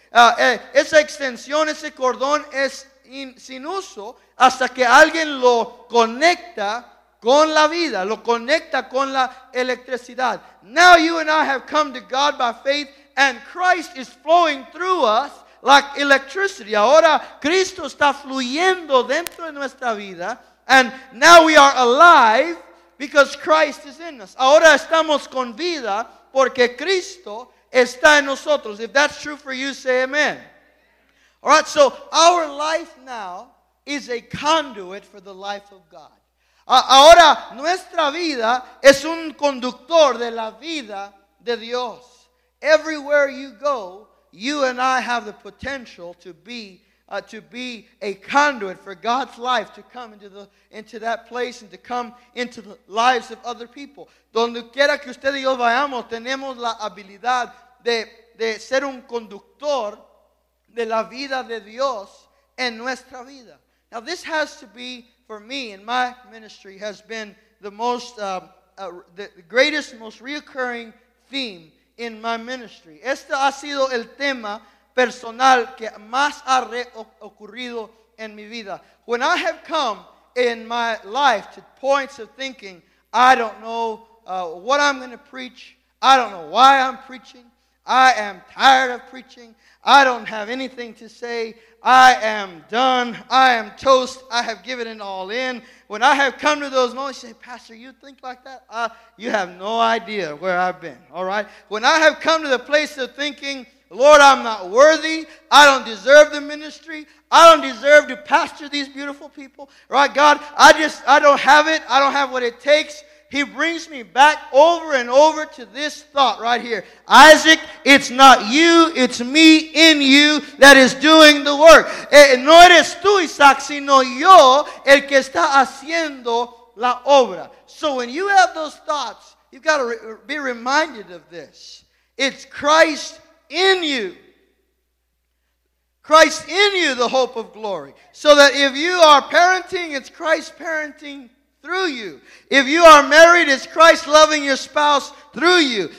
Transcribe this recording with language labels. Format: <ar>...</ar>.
<es>Esa extensión, ese cordón es sin uso hasta que alguien lo conecta con la vida, lo conecta con la electricidad.</es> <en>Now you and I have come to God by faith, and Christ is flowing through us like electricity.</en> <es>Ahora Cristo está fluyendo dentro de nuestra vida,</es> <en>and now we are alive because Christ is in us.</en> <es>Ahora estamos con vida porque Cristo está en nosotros.</es> <en>If that's true for you, say amen. All right, so our life now is a conduit for the life of God.</en> <es>Ahora, nuestra vida es un conductor de la vida de Dios.</es> <en>Everywhere you go, you and I have the potential to be a conduit for God's life to come into that place and to come into the lives of other people.</en> <es>Donde quiera que usted y yo vayamos, tenemos la habilidad de ser un conductor de la vida de Dios en nuestra vida.</es> <en>Now this has to be, for me, in my ministry, has been the most, the greatest, most reoccurring theme in my ministry.</en> <es>Este ha sido el tema personal que más ha ocurrido en mi vida.</es> <en>When I have come in my life to points of thinking, I don't know what I'm going to preach, I don't know why I'm preaching, I am tired of preaching, I don't have anything to say, I am done, I am toast, I have given it all in. When I have come to those moments, say, Pastor, you think like that? You have no idea where I've been, all right? When I have come to the place of thinking, Lord, I'm not worthy, I don't deserve the ministry, I don't deserve to pastor these beautiful people, right? God, I don't have it, I don't have what it takes. He brings me back over and over to this thought right here. Isaac, it's not you, it's me in you that is doing the work.</en> <es>No eres tú, Isaac, sino yo el que está haciendo la obra.</es> <en>So when you have those thoughts, you've got to be reminded of this. It's Christ in you. Christ in you, the hope of glory. So that if you are parenting, it's Christ parenting through you. If you are married, it's Christ loving your spouse through you.</en>